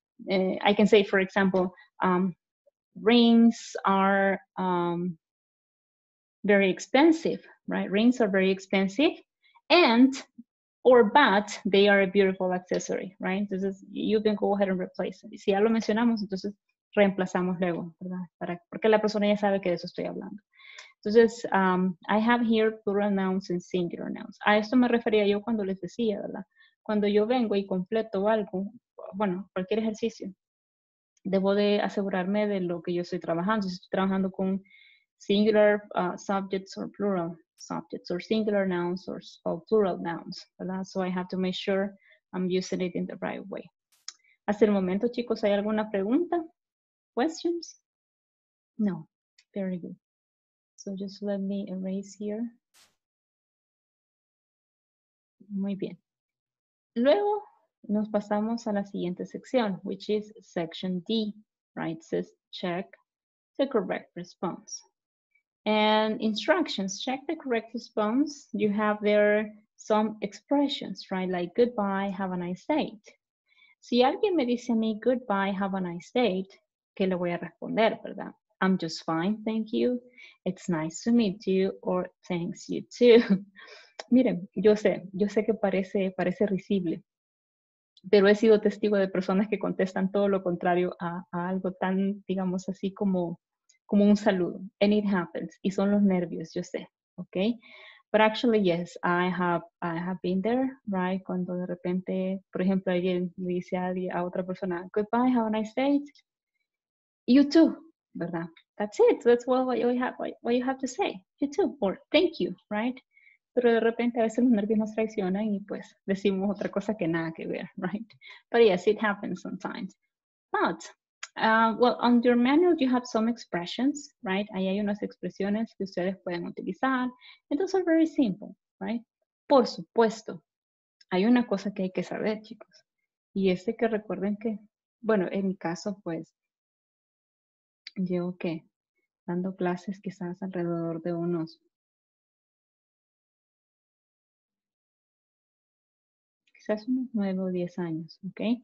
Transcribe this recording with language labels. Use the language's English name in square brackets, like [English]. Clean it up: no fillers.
[English] I can say, for example, rings are very expensive, right? Rings are very expensive and or but they are a beautiful accessory, right? Entonces, you can go ahead and replace it. [Spanish] Si ya lo mencionamos, entonces reemplazamos luego, ¿verdad? Porque la persona ya sabe que de eso estoy hablando. [English] Entonces, I have here plural nouns and singular nouns. [Spanish] A esto me refería yo cuando les decía, ¿verdad? Cuando yo vengo y completo algo, bueno, cualquier ejercicio, debo de asegurarme de lo que yo estoy trabajando. Si estoy trabajando con [English] singular subjects or plural subjects or singular nouns or plural nouns, [Spanish] ¿verdad? [English] So I have to make sure I'm using it in the right way. [Spanish] Hasta el momento, chicos, ¿hay alguna pregunta? Questions? No. [English] Very good. So just let me erase here. [Spanish] Muy bien. Luego nos pasamos a la siguiente sección, [English] which is section D, right? It says check the correct response. And instructions, check the correct response. You have there some expressions, right? Like goodbye, have a nice date. [Spanish] Si alguien me dice a mí [English] goodbye, have a nice date, [Spanish] ¿qué le voy a responder, verdad? [English] I'm just fine, thank you. It's nice to meet you, or thanks you too. [Spanish] Miren, yo sé que parece risible, pero he sido testigo de personas que contestan todo lo contrario a algo tan, digamos así, como un saludo. [English] And it happens, [Spanish] y son los nervios, yo sé, [English] okay? But actually, yes, I have been there, right? [Spanish] Cuando de repente, por ejemplo, alguien le dice a otra persona, [English] goodbye, have a nice day. You too. ¿Verdad? That's it. That's what you have to say. You too. Or thank you, right? [Spanish] Pero de repente a veces los nervios nos traicionan y pues decimos otra cosa que nada que ver, right? [English] But yes, it happens sometimes. But, well, on your manual you have some expressions, right? [Spanish] Ahí hay unas expresiones que ustedes pueden utilizar. [English] And those are very simple, right? [Spanish] Por supuesto, hay una cosa que hay que saber, chicos. Y es que recuerden que, bueno, en mi caso, pues, llevo, ¿qué? Dando clases quizás alrededor de unos, quizás unos 9 o 10 años, ¿ok?